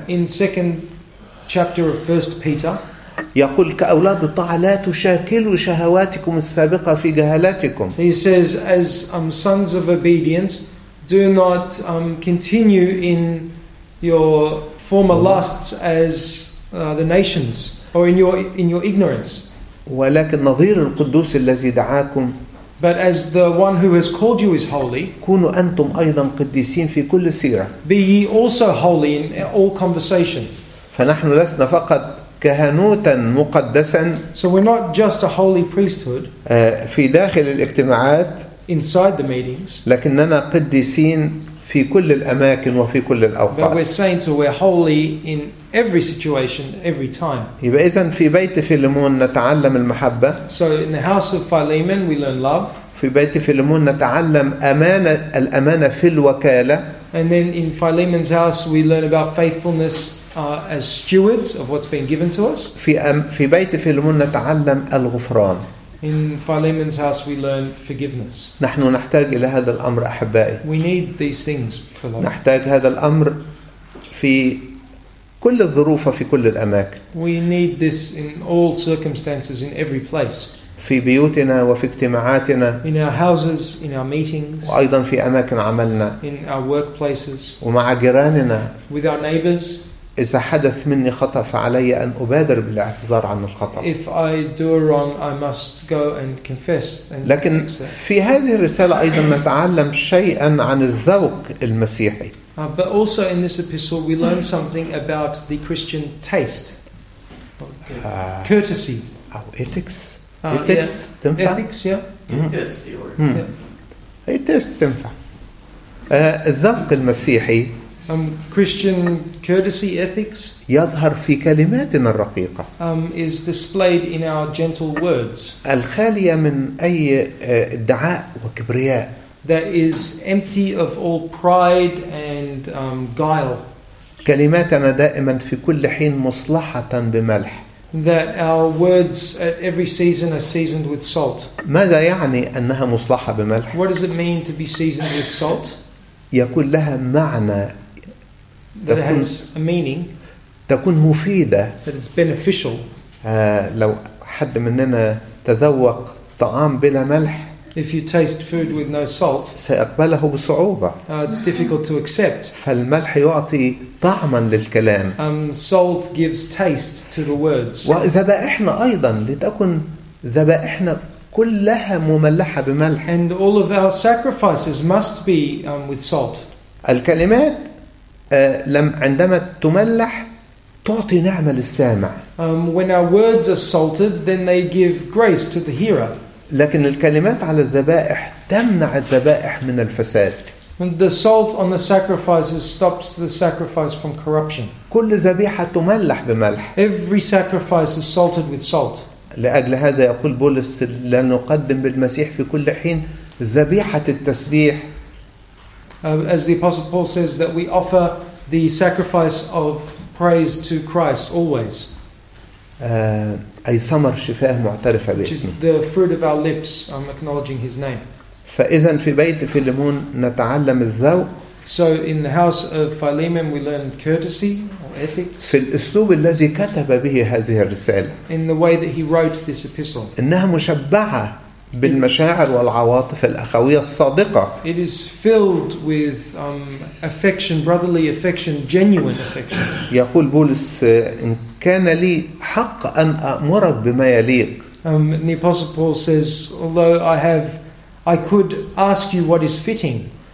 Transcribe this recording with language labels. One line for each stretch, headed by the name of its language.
English: In second chapter of first Peter.
Arabic: يقول كأولاد الطاعة لا تشاكلوا شهواتكم السابقة في جهالاتكم.
English: He says as sons of obedience, do not continue in your former lusts as the nations. Or in your ignorance.
Arabic: ولكن نظير القدوس الذي دعاكم.
English: But as the one who has called you is holy,
Arabic: كونوا أنتم أيضا قديسين في كل سيرة.
English: Be ye also holy in all conversation.
Arabic: فنحن لسنا فقط كهنوتا مقدسا.
English: So we're not just a holy priesthood.
Arabic: في داخل الاجتماعات.
English: Inside the meetings.
Arabic: لكننا قديسين في كل الأماكن وفي كل الأوقات.
English: But we're saints or we're holy in every situation, every time.
Arabic: يبقى إذن في بيت فيلمون نتعلم المحبة.
English: So in the house of Philemon we learn love.
Arabic: في بيت فيلمون نتعلم أمانة الأمانة في الوكالة.
English: And then in Philemon's house we learn about faithfulness as stewards of what's been given to us.
Arabic: في بيت فيلمون نتعلم الغفران.
English: In Philemon's house, we learn forgiveness.
Arabic: نحن نحتاج إلى هذا الأمر أحبائي.
English: We need these things for love.
Arabic: نحتاج هذا الأمر في كل الظروف وفي كل الأماكن.
English: We need this in all circumstances, in every place.
Arabic: في بيوتنا وفي اجتماعاتنا.
English: In our houses, in our meetings.
Arabic: وأيضا في أماكن عملنا.
English: In our workplaces.
Arabic: ومع جيراننا.
English: With our neighbors.
Arabic: إذا حدث مني خطأ فعلي أن أبادر بالاعتذار عن الخطأ.
English: If I do wrong, I must go and confess and
Arabic: لكن في هذه الرسالة أيضا نتعلم شيئا عن الذوق المسيحي.
English: But also in this epistle we learn something about the Christian taste. Courtesy.
Arabic: أو
English: ethics. Ethics. Yeah. Ethics. Yes.
Arabic: Ethics تنفع. الذوق المسيحي.
English: Christian courtesy ethics
Arabic: يظهر في كلماتنا الرقيقة.
English: Is displayed in our gentle words.
Arabic: الخالية من أي ادعاء وكبرياء.
English: That is empty of all pride and guile.
Arabic: كلماتنا دائما في كل حين مصلحة بملح.
English: That our words at every season are seasoned with salt.
Arabic: ماذا يعني أنها مصلحة بملح؟
English: What does it mean to be seasoned with salt?
Arabic: يكون لها معنى.
English: That it has a meaning.
Arabic: تكون مفيدة.
English: That it's beneficial.
Arabic: لو حد مننا تذوق طعام بلا ملح.
English: If you taste food with no salt.
Arabic: سيقبله بصعوبة.
English: It's difficult to accept.
Arabic: فالملح يعطي طعما للكلام.
English: Salt gives taste to the words.
Arabic: وذبائحنا أيضا لتكن ذبائحنا كلها مملحة بملح.
English: And all of our sacrifices must be with salt.
Arabic: الكلمات. لم عندما تملح تعطي نعمة للسامع.
English: When our words are salted, then they give grace to the hearer.
Arabic: لكن الكلمات على الذبائح تمنع الذبائح من الفساد.
English: And the salt on the sacrifices stops the sacrifice from corruption.
Arabic: كل ذبيحة تملح بملح.
English: Every sacrifice is salted with salt.
Arabic: لأجل هذا يقول بولس لنقدم بالمسيح في كل حين ذبيحة التسبيح.
English: As the Apostle Paul says that we offer the sacrifice of praise to Christ always.
Arabic: أي ثمر شفاه معترفة باسمه.
English: Which is the fruit of our lips, acknowledging His name.
Arabic: فإذن في بيت فيلمون نتعلم الذوق.
English: So in the house of Philemon we learn courtesy or ethics.
Arabic: في الأسلوب الذي كتب به هذه الرسالة.
English: In the way that he wrote this epistle.
Arabic: إنها مشبعة. بالمشاعر والعواطف الأخوية الصادقة.
English: It is filled with affection, brotherly affection, genuine affection.
Arabic: يقول بولس إن كان لي حق أن أمرك بما يليق.
English: The Apostle Paul says, although I could ask you what is fitting.